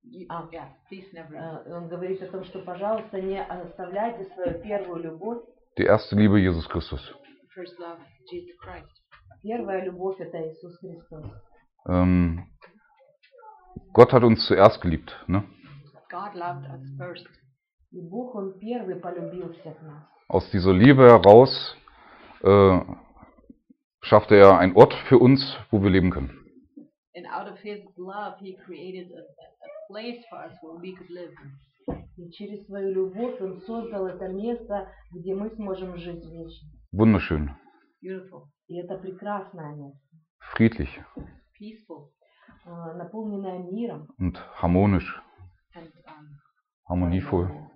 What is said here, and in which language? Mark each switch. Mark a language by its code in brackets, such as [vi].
[ru] Он говорит о том, что, пожалуйста, не оставляйте свою первую любовь. [de] Die erste Liebe Jesus Christus. [en] First love, Jesus Christ. [ru] Первая любовь это Иисус Христос. [de] Gott hat uns zuerst geliebt, ne? [en] God loved us first. [ru] И Бог он первый полюбил всех нас. [de] Aus dieser Liebe heraus schaffte er einen Ort für uns, wo wir leben können. [en] And out of his love he created a place for us where we could live. [ru] И через свою любовь он создал это место, где мы сможем жить вечно. [de] Wunderschön. [en] Beautiful. [ru] И это прекрасное место. [de] Friedlich. [en] Peaceful. [ru] Наполненное миром. [de] Und harmonisch. [en] And, [de] harmonievoll.